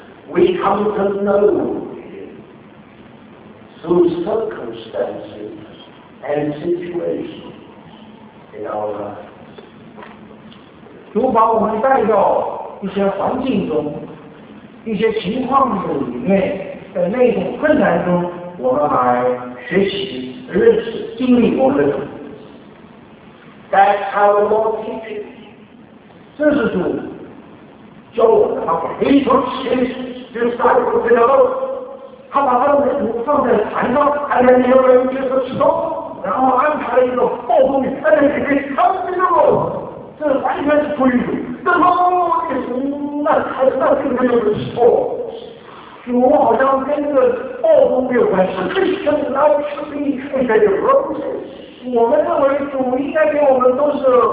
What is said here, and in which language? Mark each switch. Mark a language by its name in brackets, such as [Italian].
[English] We come to know him through circumstances and situations in our lives. [Chinese] 主把我们带到一些环境中，一些情况里面的那种困难中，我们来学习、认识、经历我们的主。 [English] That's how the Lord teaches. [Chinese] 这是主教我的方法。 [English] He took his disciples in a boat. [Chinese] 他把他的门徒放在船上 [English] ，and then he arranged a storm. [Chinese] 然后安排了一个暴风雨 [English] ，and then he comes in the boat. [Chinese] 这完全是出于主。 [English] The Lord is not has nothing to do with storms. [Chinese] 主好像跟这个暴风没有关系。 [English] Christian life should be made of roses. [Chinese] 我们认为主应该给我们都是